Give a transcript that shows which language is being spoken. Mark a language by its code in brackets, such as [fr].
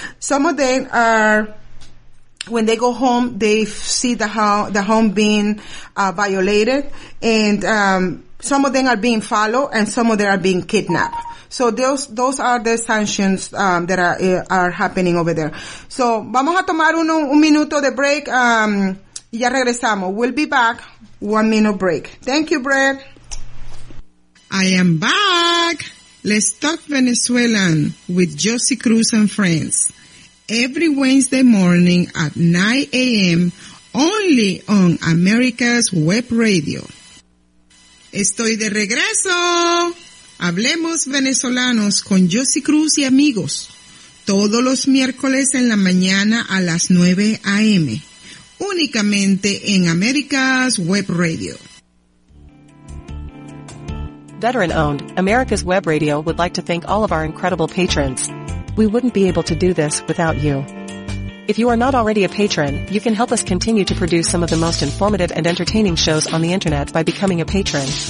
[en] Some of them are, when they go home, they see the home being, violated, and, some of them are being followed, and some of them are being kidnapped. So those are the sanctions that are happening over there. [es] So vamos a tomar un minuto de break, y ya regresamos. [en] We'll be back. 1 minute break. Thank you, Brad. I am back. Let's talk Venezuelan with Josie Cruz and friends. Every Wednesday morning at 9 a.m. only on America's Web Radio. [es] Estoy de regreso. Hablemos Venezolanos con Josie Cruz y amigos, todos los miércoles en la mañana a las 9 a.m., únicamente en America's Web Radio. [en] Veteran-owned, America's Web Radio would like to thank all of our incredible patrons. We wouldn't be able to do this without you. If you are not already a patron, you can help us continue to produce some of the most informative and entertaining shows on the Internet by becoming a patron.